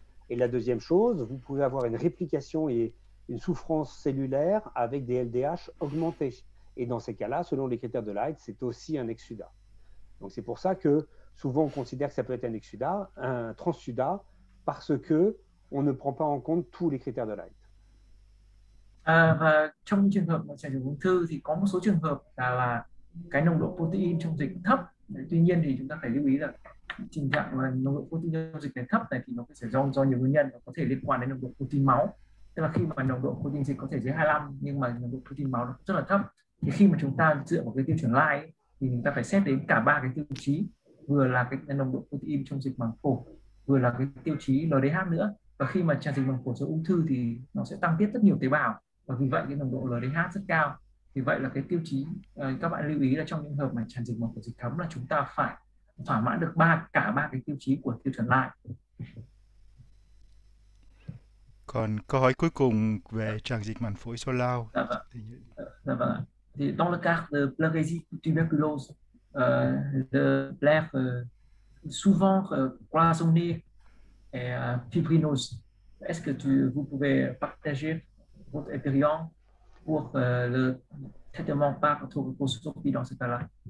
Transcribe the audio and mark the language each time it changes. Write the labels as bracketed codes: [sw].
[fr] Et la deuxième chose, vous pouvez avoir une réplication et une souffrance cellulaire avec des LDH augmentés. Et dans ces cas-là, selon les critères de Light, c'est aussi un exsuda. Donc c'est pour ça que souvent on considère que ça peut être un exsuda, un transsuda, parce que on ne prend pas en compte tous les critères de Light. [vi] Và trong trường hợp mà trẻ bị ung thư thì có một số trường hợp là cái nồng độ protein trong dịch thấp. Đấy, tuy nhiên thì chúng ta phải lưu ý là tình trạng mà nồng độ protein trong dịch này thấp này thì nó sẽ do nhiều nguyên nhân, nó có thể liên quan đến nồng độ protein máu. Tức là khi mà nồng độ protein dịch có thể dưới 25 nhưng mà nồng độ protein máu nó rất là thấp, thì khi mà chúng ta dựa vào cái tiêu chuẩn Light ấy, thì chúng ta phải xét đến cả ba cái tiêu chí, vừa là cái nồng độ protein trong dịch màng phổi, vừa là cái tiêu chí LDH nữa. Và khi mà tràn dịch màng phổi do ung thư thì nó sẽ tăng tiết rất nhiều tế bào, và vì vậy cái nồng độ LDH rất cao. Vì vậy là cái tiêu chí các bạn lưu ý là trong những hợp mà tràn dịch màng phổi dịch thấm là chúng ta phải thỏa mãn được cả ba cái tiêu chí của tiêu chuẩn Light. Còn câu hỏi cuối cùng về tràn dịch màng phổi sau lao. Dạ vâng. [fr] Thì dans le cas de pleurésie tuberculose, le pleure souvent cloisonné et fibrinose, est-ce que vous pouvez partager votre expérience pour le traitement par thoracoscopie dans ce cas-là?